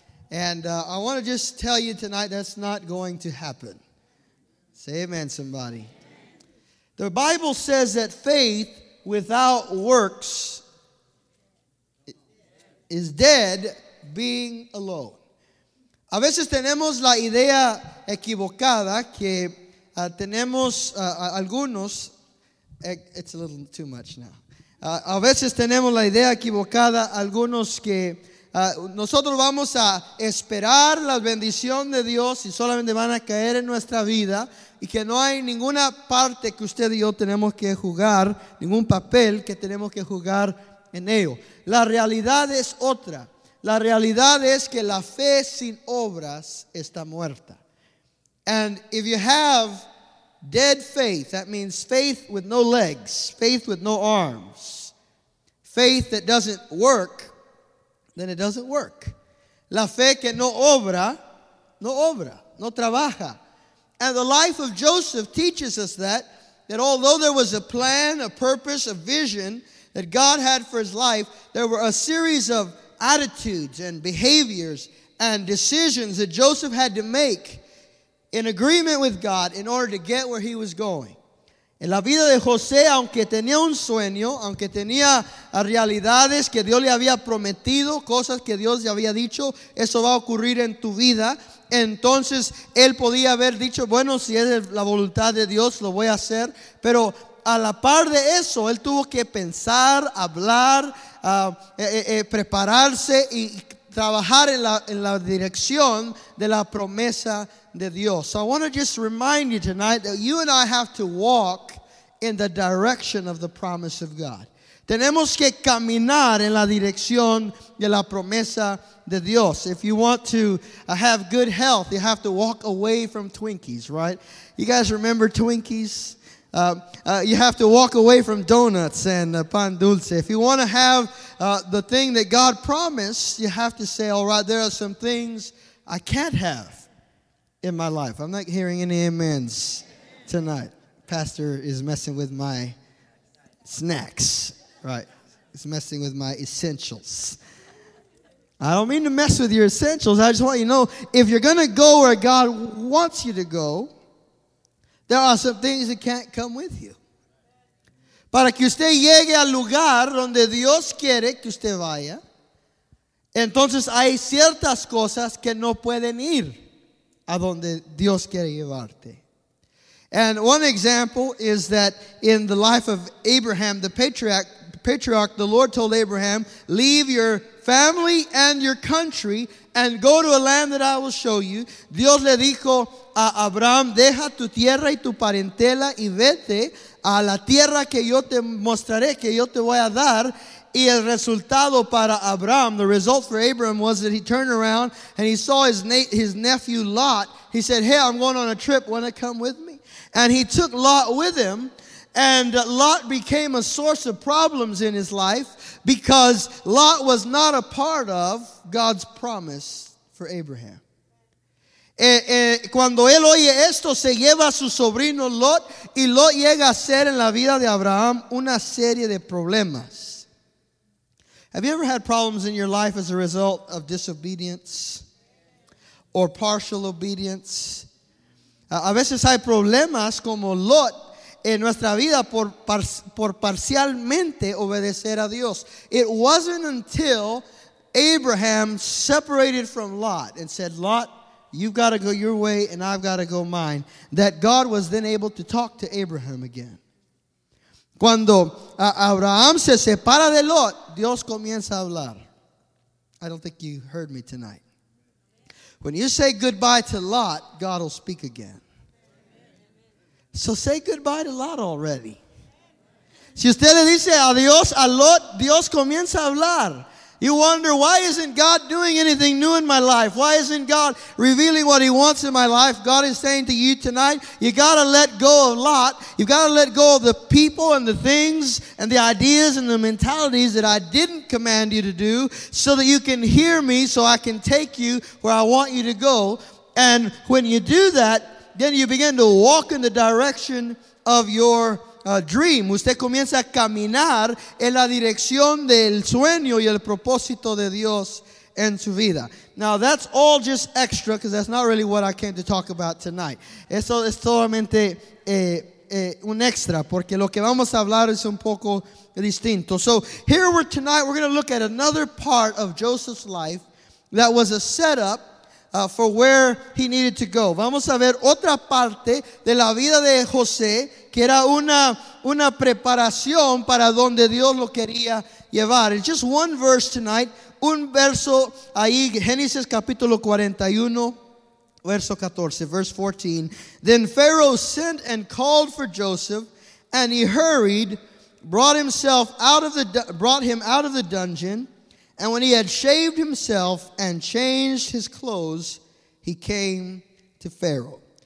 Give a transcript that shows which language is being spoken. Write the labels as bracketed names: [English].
[English] And I want to just tell you tonight, that's not going to happen. Say amen, somebody. The Bible says that faith without works is dead, being alone. [Spanish] A veces tenemos la idea equivocada que tenemos algunos. [English] It's a little too much now. [Spanish] A veces tenemos la idea equivocada algunos que nosotros vamos a esperar la bendición de Dios y solamente van a caer en nuestra vida, y que no hay ninguna parte que usted y yo tenemos que jugar, ningún papel que tenemos que jugar en ello. La realidad es otra. La realidad es que la fe sin obras está muerta. [English] And if you have dead faith, that means faith with no legs, faith with no arms, faith that doesn't work, then it doesn't work. [Spanish] La fe que no obra, no obra, no trabaja. [English] And the life of Joseph teaches us that although there was a plan, a purpose, a vision that God had for his life, there were a series of attitudes and behaviors and decisions that Joseph had to make in agreement with God in order to get where he was going. [Spanish] En la vida de José, aunque tenía un sueño, aunque tenía realidades que Dios le había prometido, cosas que Dios le había dicho, eso va a ocurrir en tu vida, entonces él podía haber dicho, bueno, si es la voluntad de Dios, lo voy a hacer. Pero a la par de eso, él tuvo que pensar, hablar, prepararse y trabajar en la dirección de la promesa de Dios. [English] So I want to just remind you tonight that you and I have to walk in the direction of the promise of God. [Spanish] Tenemos que caminar en la dirección de la promesa de Dios. [English] If you want to have good health, you have to walk away from Twinkies, right? You guys remember Twinkies? You have to walk away from donuts and pan dulce. If you want to have the thing that God promised, you have to say, all right, there are some things I can't have in my life. I'm not hearing any amens tonight. Pastor is messing with my snacks, right? He's messing with my essentials. I don't mean to mess with your essentials. I just want you to know, if you're going to go where God wants you to go, there are some things that can't come with you. [Spanish] Para que usted llegue al lugar donde Dios quiere que usted vaya, entonces hay ciertas cosas que no pueden ir a donde Dios quiere llevarte. [English] And one example is that in the life of Abraham, the patriarch, the Lord told Abraham, leave your family and your country and go to a land that I will show you. [Spanish] Dios le dijo a Abraham, deja tu tierra y tu parentela y vete a la tierra que yo te mostraré, que yo te voy a dar. Y el resultado para Abraham, [English] the result for Abraham was that he turned around and he saw his nephew Lot. He said, hey, I'm going on a trip. Want to come with me? And he took Lot with him. And Lot became a source of problems in his life because Lot was not a part of God's promise for Abraham. [Spanish] Cuando él oye esto, se lleva a su sobrino Lot, y Lot llega a ser en la vida de Abraham una serie de problemas. [English] Have you ever had problems in your life as a result of disobedience or partial obedience? [Spanish] A veces hay problemas como Lot en nuestra vida por parcialmente obedecer a Dios. [English] It wasn't until Abraham separated from Lot and said, Lot, you've got to go your way and I've got to go mine, that God was then able to talk to Abraham again. [Spanish] Cuando Abraham se separa de Lot, Dios comienza a hablar. [English] I don't think you heard me tonight. When you say goodbye to Lot, God will speak again. So say goodbye to Lot already. [Spanish] Si usted le dice adiós a Lot, Dios comienza a hablar. [English] You wonder, why isn't God doing anything new in my life? Why isn't God revealing what he wants in my life? God is saying to you tonight, you got to let go of Lot. You've got to let go of the people and the things and the ideas and the mentalities that I didn't command you to do, so that you can hear me, so I can take you where I want you to go. And when you do that, then you begin to walk in the direction of your dream. [Spanish] Usted comienza a caminar en la dirección del sueño y el propósito de Dios en su vida. [English] Now, that's all just extra, because that's not really what I came to talk about tonight. [Spanish] Eso es solamente un extra, porque lo que vamos a hablar es un poco distinto. [English] So, here we're tonight, we're going to look at another part of Joseph's life that was a setup for where he needed to go. [Spanish] Vamos a ver otra parte de la vida de José, que era una preparación para donde Dios lo quería llevar. [English] It's just one verse tonight. [Spanish] Un verso ahí, Génesis capítulo 41, verso 14, [English] verse 14. Then Pharaoh sent and called for Joseph, and he hurried, brought him out of the dungeon, and when he had shaved himself and changed his clothes, he came to Pharaoh.